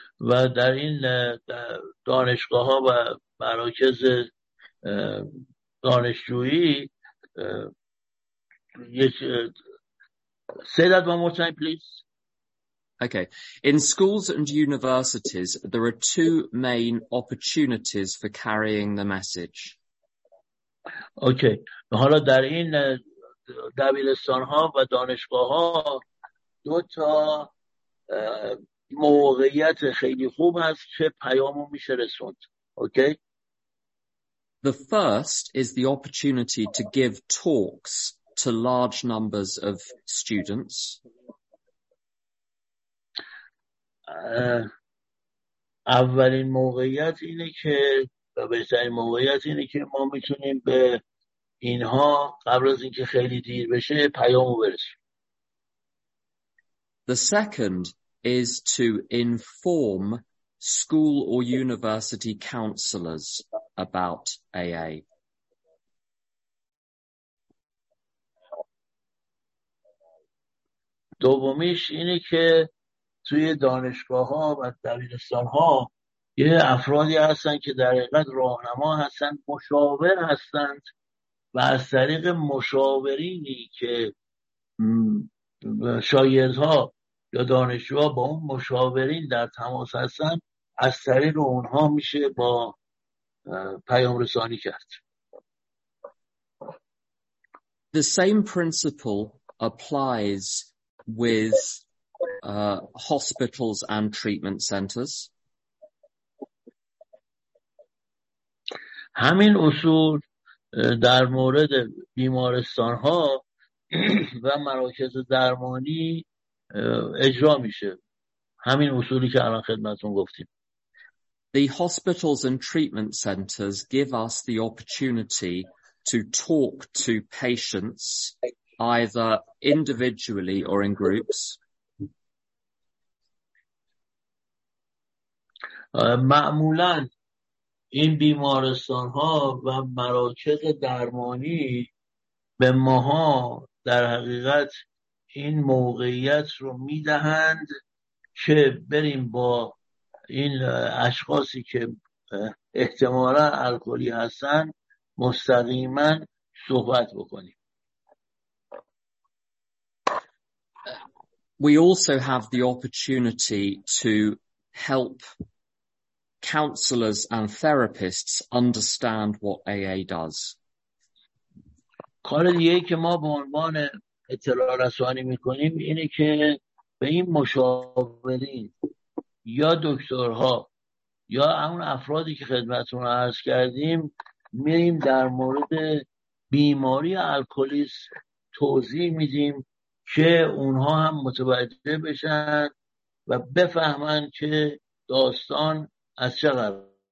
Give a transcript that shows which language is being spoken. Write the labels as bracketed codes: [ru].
[fa] و در این دانشگاه‌ها و مراکز دانشجویی یک [en] Say that one more time, please. Okay. In schools and universities, there are two main opportunities for carrying the message. Okay. [fa] حالا در این دبیرستان‌ها و دانشگاه‌ها دو تا موقعیت خیلی خوب هست که پیامو میشه رسوند. [en] Okay? The first is the opportunity to give talks to large numbers of students. [fa] اولین موقعیت اینه که بهترین موقعیت اینه که ما میتونیم به اینها قبل از اینکه خیلی دیر بشه پیامو برسونیم. [en] The second is to inform school or university counselors about AA. [fa] دومیش اینه که توی دانشگاه‌ها و دبیرستان‌ها یه افرادی هستن که در حقیقت راهنما هستن، مشاور هستن و از طریق مشاورینی که شاگردها یا دانشجوها با اون مشاورین در تماس هستن از طریق اونها میشه با پیام رسانی کرد. [en] The same principle applies with hospitals and treatment centers. [fa] همین اصول در مورد بیمارستان ها و مراکز درمانی اجرا میشه. همین اصولی که الان خدمتتون گفتیم. [en] The hospitals and treatment centers give us the opportunity to talk to patients either individually or in groups. [fa] معمولا این بیمارستان ها و مراکز درمانی به ماها در حقیقت این موقعیت رو میدهند که بریم با این اشخاصی که احتمالا الکلی هستن مستقیما صحبت بکنیم. [en] We also have the opportunity to help counselors and therapists understand what AA does. [fa] کار دیگه که ما به عنوان اطلاع رسانی میکنیم اینه که به این مشاورین یا دکترها یا اون افرادی که خدمتتون عرض کردیم میریم در مورد بیماری الکلیسم توضیح میدیم که اونها هم متوجه بشن و بفهمن که داستان از چه قراره.